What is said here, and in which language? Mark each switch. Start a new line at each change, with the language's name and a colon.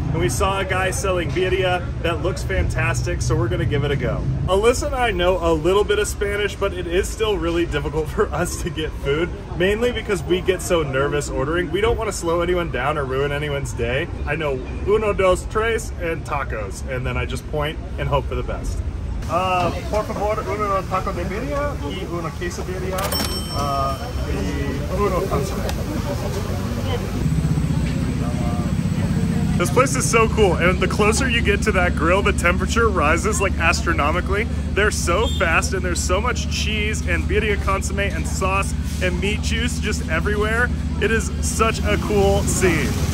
English: And we saw a guy selling birria that looks fantastic, so we're gonna give it a go. Alyssa and I know a little bit of Spanish, but it is still really difficult for us to get food, mainly because we get so nervous ordering. We don't wanna slow anyone down or ruin anyone's day. I know uno, dos, tres, and tacos. And then I just point and hope for the best.
Spanish: Por favor, uno taco de birria y una quesadilla y uno pan.
English: This place is so cool, and the closer you get to that grill, the temperature rises like astronomically. They're so fast, and there's so much cheese and birria consomme and sauce and meat juice just everywhere. It is such a cool scene.